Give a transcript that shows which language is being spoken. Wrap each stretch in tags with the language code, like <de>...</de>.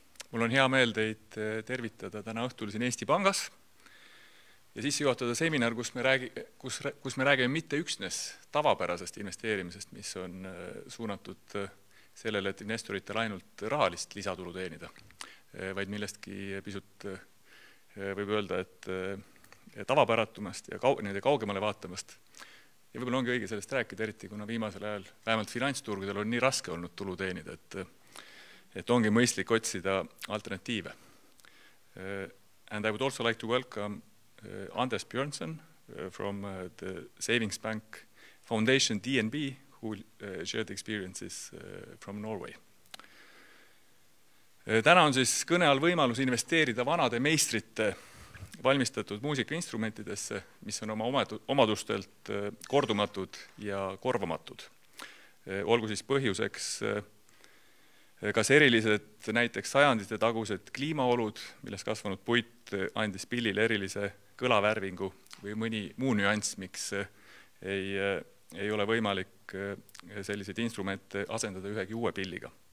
<et>Mul on hea meel teid tervitada täna õhtul siin Eesti Pangas ja sissejuhatada seminar, kus me räägime mitte üksnes tavapärasest investeerimisest, mis on suunatud sellele, et investoritel ainult rahalist lisatulu teenida, vaid millestki pisut võib öelda, et tavapäratumast ja nende kaugemale vaatamast. Ja võib-olla ongi õige sellest rääkida, eriti kuna viimasel ajal vähemalt finantsturgudel on nii raske olnud tulu teenida, et ongi mõistlik otsida alternatiive.</et> <en>And I would also like to welcome Anders Bjørnsen from the Savings Bank Foundation DNB, who shared experiences from Norway.</en> <et>Täna on siis kõneal võimalus investeerida vanade meistrite valmistatud muusikainstrumentidesse, mis on oma omadustelt kordumatud ja korvamatud. Olgu siis põhjuseks kas erilised näiteks sajandite tagused kliimaolud, milles kasvanud puit andis pillile erilise kõlavärvingu või mõni muu nüants, miks ei ole võimalik sellised instrumente asendada ühegi uue pilliga.</et>